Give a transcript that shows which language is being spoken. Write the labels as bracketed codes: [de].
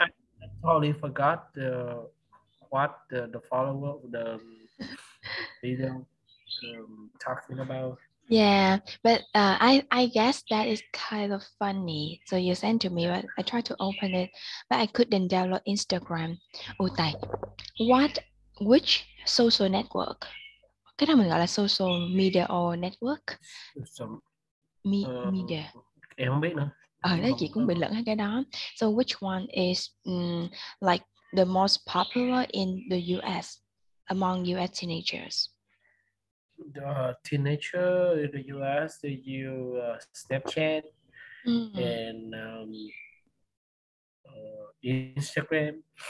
[en] I totally forgot what the follower the video talking about. Yeah, but I guess that is kind of funny. So you sent to me, but I tried to open it, but I couldn't download Instagram. [vi] Ủa [en] Tài, which social network? [vi] Cái đó mình gọi là [en] social media or network? Media. [vi] Em không biết nữa, Ờ, em đấy chị không cũng bị lẫn cái đó. [en] So which one is like the most popular in the US, among US teenagers? the teenager in the US, they use Snapchat and Instagram,